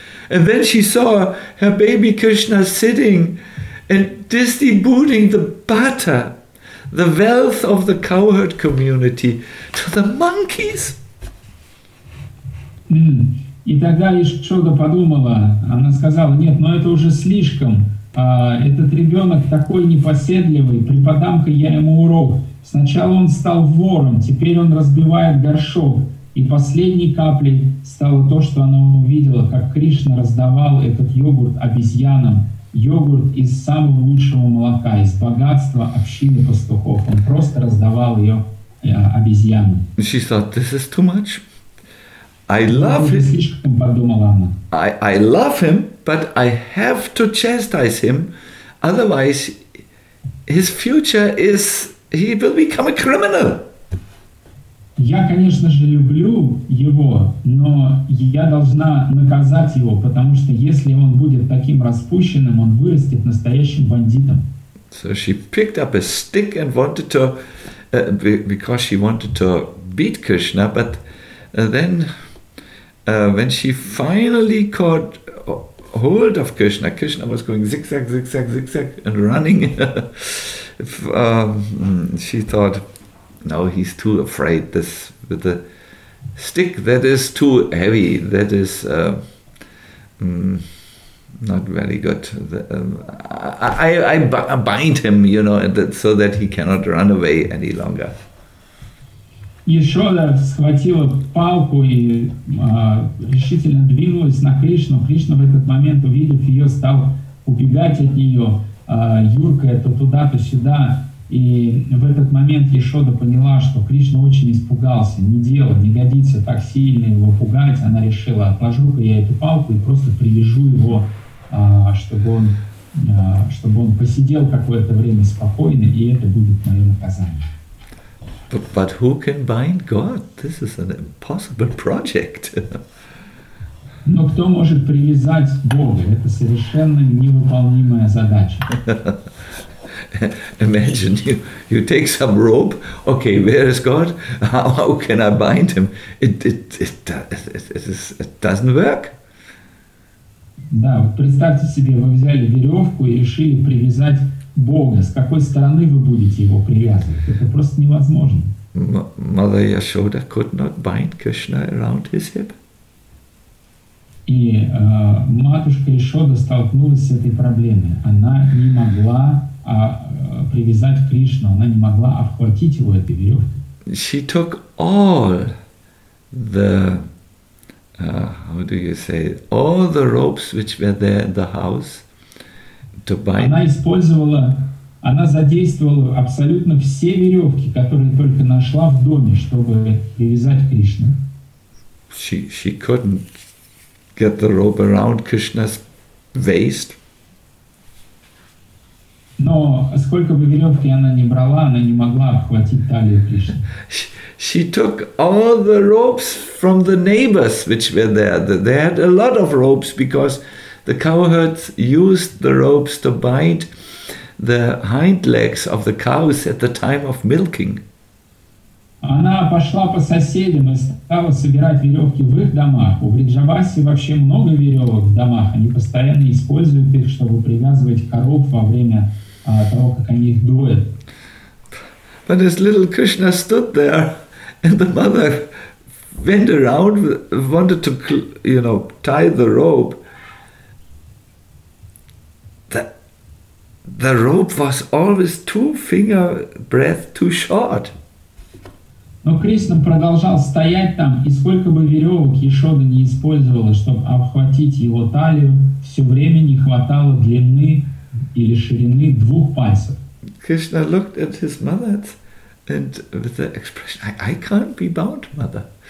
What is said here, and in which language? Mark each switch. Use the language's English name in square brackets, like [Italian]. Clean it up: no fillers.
[English] And then she saw her baby Krishna sitting and distributing the butter, the wealth of the cowherd community, to the monkeys. [Russian] И тогда Яшода подумала, она сказала, нет, но это уже слишком. Этот ребенок такой непоседливый, преподам-ка я ему урок. Сначала он стал вором, теперь он разбивает горшок. И последней каплей стало то, что она увидела, как Кришна раздавал этот йогурт обезьянам. Йогурт из самого лучшего молока, из богатства общины пастухов. Он просто раздавал ее обезьянам. [English] She thought, this is too much. I love him. [Russian] Слишком подумала она. [English] I love him, but I have to chastise him. Otherwise, his future is, he will become a criminal. [Russian] Я, конечно же, люблю его, но я должна наказать его, потому что если он будет таким распущенным, он вырастет настоящим бандитом. [English] So she picked up a stick and wanted to, because she wanted to beat Krishna, but then, when she finally caught hold of Krishna, Krishna was going zigzag, zigzag, zigzag, and running. she thought, no, he's too afraid. This with the stick, that is too heavy. That is not very good. I bind him, you know, so that he cannot run away any longer. [Russian] Яшода схватила палку и решительно двинулась на Кришну. Кришна в этот момент, увидев ее, стал убегать от нее, юркая то туда, то сюда. И в этот момент Яшода поняла, что Кришна очень испугался. Не дело, не годится так сильно его пугать. Она решила, отложу-ка я эту палку и просто привяжу его, чтобы он посидел какое-то время спокойно, и это будет мое наказание. [English] But who can bind God? This is an impossible project. [Russian] Но кто может привязать Бога? Это совершенно невыполнимая задача. [English] Imagine you take some rope. Okay, where is God? How can I bind him? It doesn't work. [Russian] Да, представьте себе, вы взяли веревку и решили привязать Бога. С какой стороны вы будете его привязывать? Это просто невозможно. [English] Mother Yashoda could not bind Krishna around his hip. [Russian] И матушка Яшода столкнулась с этой проблемой. Она не могла привязать Кришну, она не могла обхватить его этой веревкой. [English] She took all the all the ropes which were there in the house to bind. [Russian] Она задействовала абсолютно все веревки, которые только нашла в доме, чтобы привязать Кришну. [English] She couldn't get the rope around Krishna's waist. [Russian] Но сколько бы веревки она ни брала, она не могла обхватить талию Кришны. [English] She took all the ropes from the neighbors, which were there. They had a lot of ropes because the cowherds used the ropes to bind the hind legs of the cows at the time of milking. [Russian] Она пошла по соседям и стала собирать веревки в их домах. У Вриджавасе вообще много веревок в домах. Они постоянно используют их, чтобы привязывать коров во время того, как они их доят. [English] But as little Krishna stood there, and the mother went around, wanted to, you know, tie the rope, the rope was always two finger breadth too short. [Russian] Но Кришна продолжал стоять там, и сколько бы веревок Яшода не использовала, чтобы обхватить его талию, все время не хватало длины или ширины двух пальцев. [English] Krishna looked at his mother and with the expression, I can't be bound, mother.